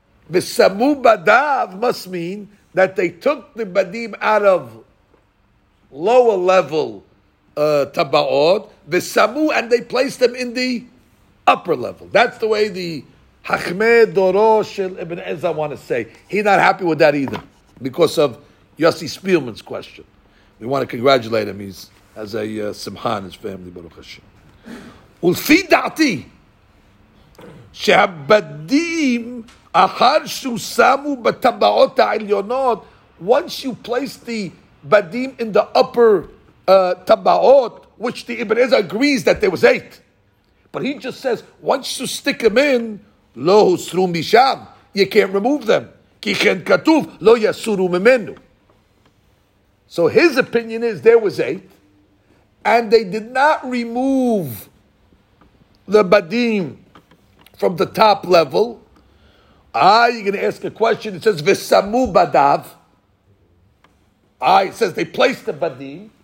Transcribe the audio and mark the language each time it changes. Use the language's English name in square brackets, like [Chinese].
[English] V'samu badav must mean that they took the badim out of lower level taba'ot, v'samu, and they placed them in the upper level. That's the way the Hachmei Doro Shel Ibn Ezra want to say. He's not happy with that either because of Yossi Spielman's question. We want to congratulate him. He's has a simcha in his family, Baruch Hashem. [Hebrew] ולפי דעתי שהבדים אחר ששמו בטבעות העליונות, [English] once you place the בדים in the upper טבעות, which the Ibn Ezra agrees that there was eight, but he just says once you stick them in, [Hebrew] לא הוסרו משם, [English] you can't remove them, [Hebrew] כי כן כתוב לא יסורו ממנו. [English] So his opinion is there was eight and they did not remove the badim from the top level, You're going to ask a question. It says, Vesamu badav. It says, they placed the badim.